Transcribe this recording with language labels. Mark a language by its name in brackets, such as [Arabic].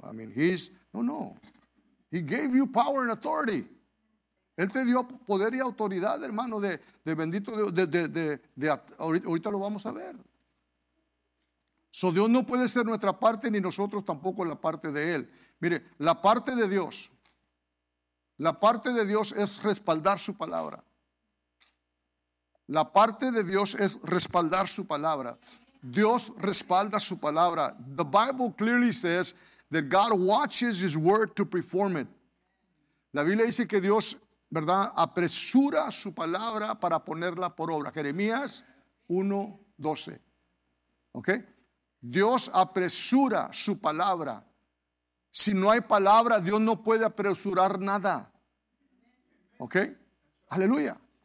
[English] I mean, He gave you power and authority. [Spanish] Él te dio poder y autoridad, hermano, de bendito Dios, de ahorita lo vamos a ver. So, Dios no puede ser nuestra parte, ni nosotros tampoco la parte de Él. Mire, la parte de Dios es respaldar su palabra. La parte de Dios es respaldar su palabra. Dios respalda su palabra. [English] The Bible clearly says that God watches his word to perform it. [Spanish] La Biblia dice que Dios, ¿verdad?, apresura su palabra para ponerla por obra. Jeremías 1:12. ¿Ok? Dios apresura su palabra. Si no hay palabra, Dios no puede apresurar nada. ¿Ok? Aleluya.